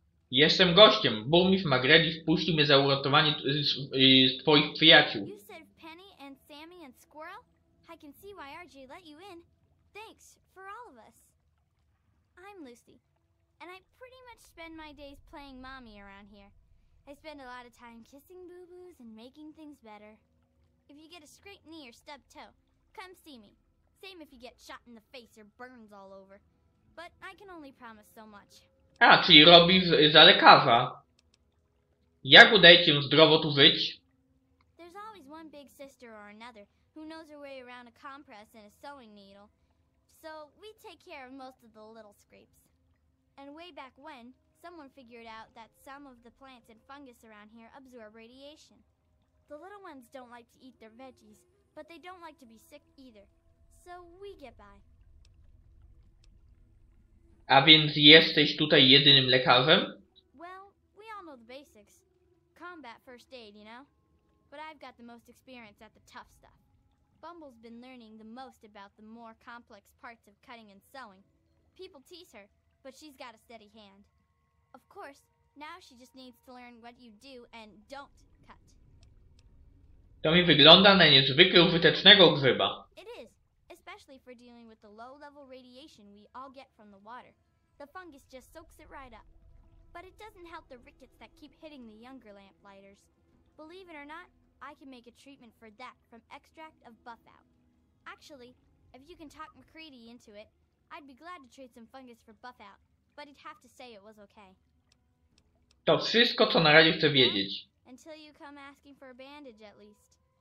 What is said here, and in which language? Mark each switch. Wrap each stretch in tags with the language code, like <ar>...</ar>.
<pl>Jestem gościem. Burmistrz McGrady wpuścił mnie za uratowanie z twoich przyjaciół.</pl> <en>Penny and Sammy and Squirrel? I can see why RJ let you in. Thanks for all of us. I'm Lucy. And I pretty much spend my days playing mommy around here. I spend a lot of time kissing boo-boos and making things better. If you get a scraped knee or stubbed toe, come see me. Same if you get shot in the face or burns all over. But I can only promise so much.</en> <pl>A, czyli robi za lekarza. Jak udaje ci zdrowo tu żyć?</pl> <en>There's always one big sister or another who knows her way around a compress and a sewing needle. So we take care of most of the little scrapes. And way back when, someone figured out that some of the plants and fungus around here absorb radiation. The little ones don't like to eat their veggies, but they don't like to be sick either. So we get by.</en> <pl>A więc jesteś tutaj jedynym lekarzem?</pl> <en>Well, we all know the basics. Combat first aid, you know? But I've got the most experience at the tough stuff. Bumble's been learning the most about the more complex parts of cutting and sewing. People tease her, but she's got a steady hand. Of course, now she just needs to learn what you do and don't cut.</en> <pl>To mi wygląda na niezwykle użytecznego grzyba.</pl> <en>It is, especially for dealing with the low-level radiation we all get from the water. The fungus just soaks it right up. But it doesn't help the rickets that keep hitting the younger lamplighters. Believe it or not, I can make a treatment for that from extract of buff out. Actually, if you can talk McCready into it, I'd be glad to treat some fungus for buff out, but he'd have to say it was okay.</en> <pl>To wszystko, co na razie chcę wiedzieć.</pl> <en>Until you come asking for a bandage, at least.</en>